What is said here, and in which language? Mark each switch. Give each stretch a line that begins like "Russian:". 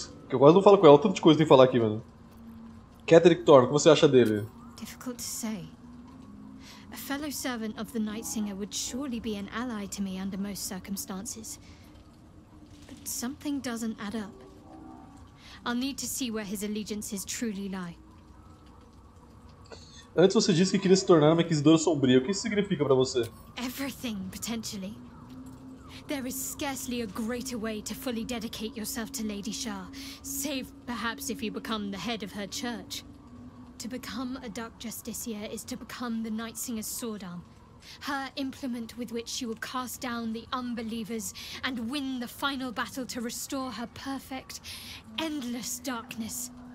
Portuguese: Eu quase não falo com ela, tanto de coisa tem que falar aqui, mano. Catherick Thorne, o que você acha dele? Difícil de dizer.
English: A fellow servant of the Night Singer would surely be an ally to me under most circumstances. But something doesn't add up. I'll need to see where his allegiances truly lie.
Portuguese: Antes você disse que queria se tornar uma inquisidora sombria. O que isso significa para você?
English: Everything, potentially. There is scarcely a greater way to fully dedicate yourself to Lady Shah, save perhaps if you become the head of her church. To become a Dark Justiciar is to become the Night Singer's sword arm, her implement with which she will cast down the unbelievers and win the final battle to restore her perfect, endless darkness.